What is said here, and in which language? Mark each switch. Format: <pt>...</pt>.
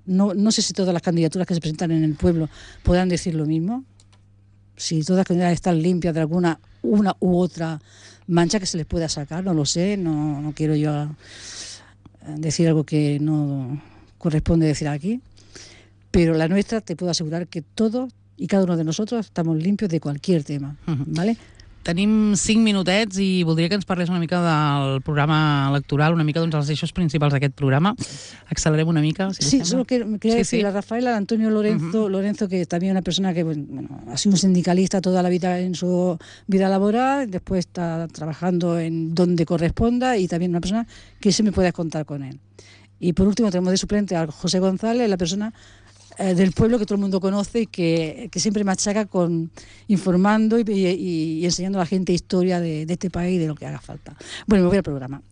<es>No sé si todas las candidaturas que se presentan en el pueblo podrán decir lo mismo, si todas las candidaturas están limpias de alguna una u otra mancha que se les pueda sacar, no lo sé, no quiero yo decir algo que no corresponde decir aquí, pero la nuestra te puedo asegurar que todo y cada uno de nosotros estamos limpios de cualquier tema, ¿vale?</es> <ca>Tenim 5 minutets i voldria que ens parlés una mica del programa electoral, una mica doncs els eixos principals d'aquest programa. Accelerem una mica,</ca> <es>si sí, que quería decir, la Rafaela, Antonio Lorenzo, Lorenzo,</es> <ca>que també és una persona que,</ca> <es>bueno, ha sido un sindicalista toda la vida en su vida laboral, después está trabajando en donde corresponda y también una persona que se me puede contar con él. Y por último tenemos de suplente a José González, la persona del pueblo que todo el mundo conoce y que siempre machaca con informando y enseñando a la gente historia de este país y de lo que haga falta. Bueno, me voy al programa.</es>